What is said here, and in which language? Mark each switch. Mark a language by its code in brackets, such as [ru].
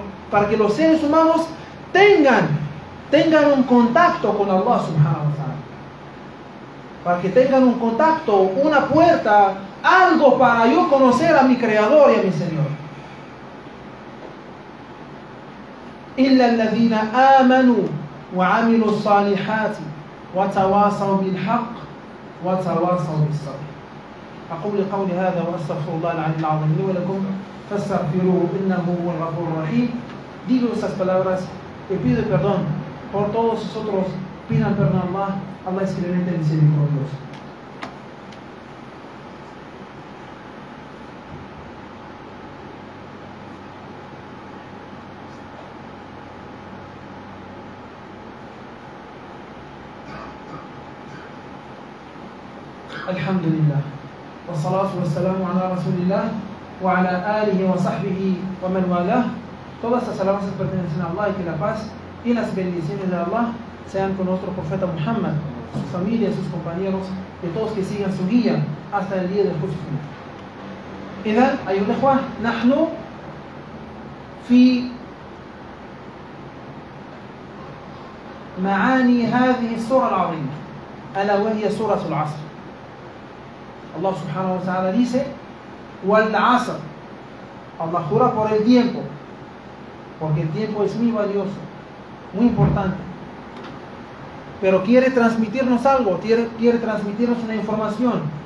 [es] Para que los seres humanos tengan un contacto con Allah subhanahu wa ta'ala. Para que tengan un contacto, una puerta, algo para yo conocer a mi Creador y a mi Señor. [ar] إلا الذين آمنوا وعملوا الصالحات وتواصوا بالحق وتواصوا بالصبر. أقول قولي هذا وأستغفر الله العلي العظيم لي ولكم فاستغفروه إنه هو الغفور الرحيم. [es] Digo estas palabras y pido perdón por todos vosotros. Pidan perdón a Allah. Allah es clemente y misericordioso. [ar] الحمد لله والصلاة والسلام على رسول الله وعلى آله وصحبه ومن والاه. [es] Todas las alabanzas pertenecen a Allah, y que la paz y las bendiciones de Allah sean con nuestro profeta Muhammad, su familia, sus compañeros y todos que sigan su guía hasta el día del juicio final. [ar] إذا أيها الأخوة نحن في معاني هذه السورة العظيمة ألا وهي سورة العصر. [es] Allah subhanahu wa ta'ala dice wal asr, Allah jura por el tiempo, porque el tiempo es muy valioso, muy importante, pero quiere transmitirnos algo, quiere transmitirnos una información.